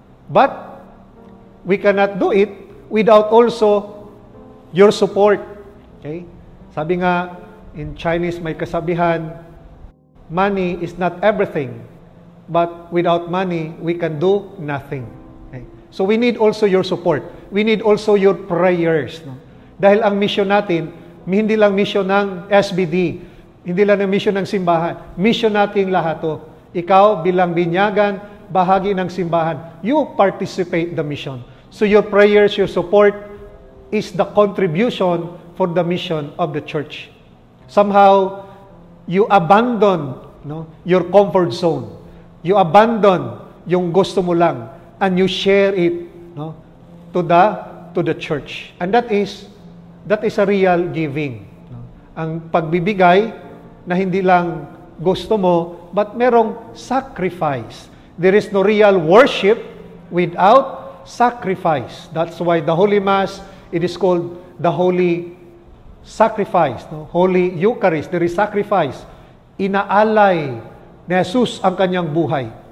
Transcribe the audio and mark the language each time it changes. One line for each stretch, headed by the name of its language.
English: But we cannot do it without also your support. Okay?
Filipino: Sabi nga,
English: in Chinese
Filipino: may kasabihan,
English: money is not everything, but without money, we can do nothing. Okay? So we need also your support. We need also your prayers. No?
Filipino: Dahil ang mission natin, hindi lang mission ng SVD, hindi lang ang mission ng simbahan, mission natin lahat to. Ikaw bilang binyagan, bahagi ng simbahan,
English: you participate the mission. So your prayers, your support is the contribution for the mission of the church. Somehow, you abandon, no, your comfort zone. You abandon yung gusto mo lang and you share it, no, to the church. And that is a real giving. No?
Filipino: Ang pagbibigay na hindi lang gusto mo, but merong sacrifice.
English: There is no real worship without sacrifice. That's why the Holy Mass, it is called the Holy Sacrifice, no? Holy Eucharist, there is sacrifice.
Filipino: Inaalay ni Jesus ang kanyang buhay.